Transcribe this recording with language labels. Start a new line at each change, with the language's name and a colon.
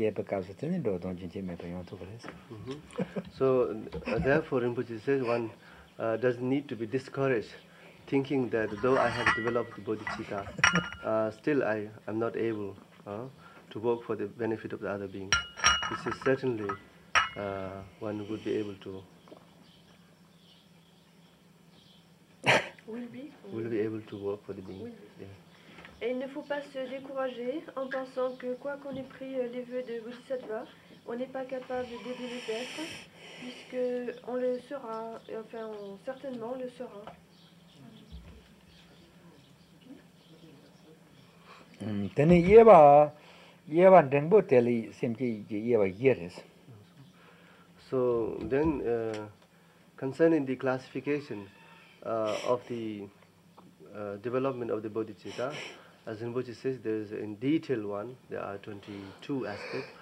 English: therefore, Rinpoche says one doesn't need to be discouraged, thinking that though I have developed the bodhicitta, still I am not able to work for the benefit of the other beings. This is certainly. One would be able to. Will be. Will be able to work for the beings. Yeah.
French: Et il ne faut pas se décourager en pensant que quoi qu'on ait pris les vœux de Bodhisattva, on n'est pas capable d'aider les êtres, puisque on le sera, enfin on certainement le sera.
English: So then, concerning the classification of the development of the bodhicitta, as Rinpoche says, there is in detail one, there are 22 aspects.